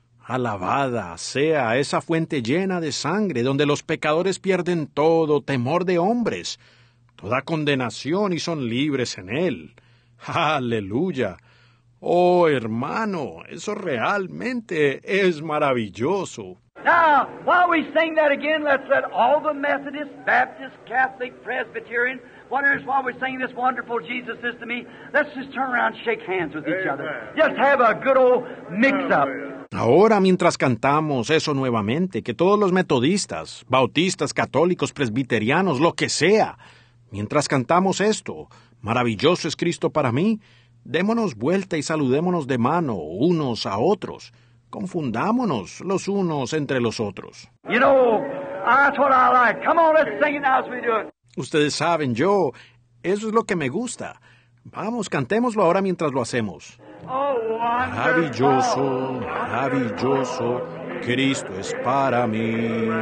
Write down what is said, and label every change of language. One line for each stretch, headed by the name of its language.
Spanish: Alabada sea esa fuente llena de sangre donde los pecadores pierden todo temor de hombres, toda condenación y son libres en Él. ¡Aleluya! ¡Oh, hermano! Eso realmente es maravilloso.
English: Now, while we sing that again, let's let all the Methodists, Baptists, Catholic, Presbyterian, wonders while we sing this wonderful Jesus is to me, let's just turn around and shake hands with each other. Just have a good old mix-up.
Spanish: Ahora, mientras cantamos eso nuevamente, que todos los metodistas, bautistas, católicos, presbiterianos, lo que sea, mientras cantamos esto, maravilloso es Cristo para mí, démonos vuelta y saludémonos de mano unos a otros. Confundámonos los unos entre los otros.
English: You know, that's what I like. Come on, let's sing it now as we do it.
Spanish: Ustedes saben, yo, eso es lo que me gusta. Vamos, cantémoslo ahora mientras lo hacemos. Maravilloso, maravilloso, Cristo es para mí.